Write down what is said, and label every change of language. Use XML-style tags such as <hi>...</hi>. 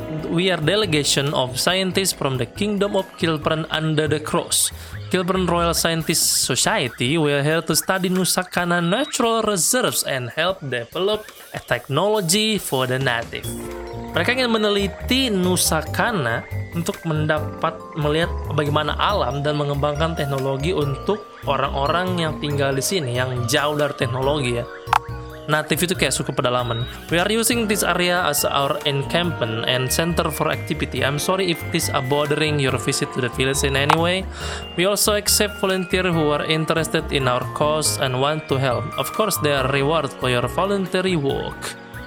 <en>We are delegation of scientists from the Kingdom of Kilfren under the cross. Kilfren Royal Scientist Society, we are here to study Nusakana Natural Reserves and help develop a technology for the native.</en> <id>Mereka ingin meneliti Nusakana untuk mendapat melihat bagaimana alam dan mengembangkan teknologi untuk orang-orang yang tinggal di sini, yang jauh dari teknologi ya. Native itu kayak suku pedalaman.</id> <en>We are using this area as our encampment and center for activity. I'm sorry if this are bothering your visit to the village in any way. We also accept volunteers who are interested in our cause and want to help. Of course, there are rewards for your voluntary work.</en>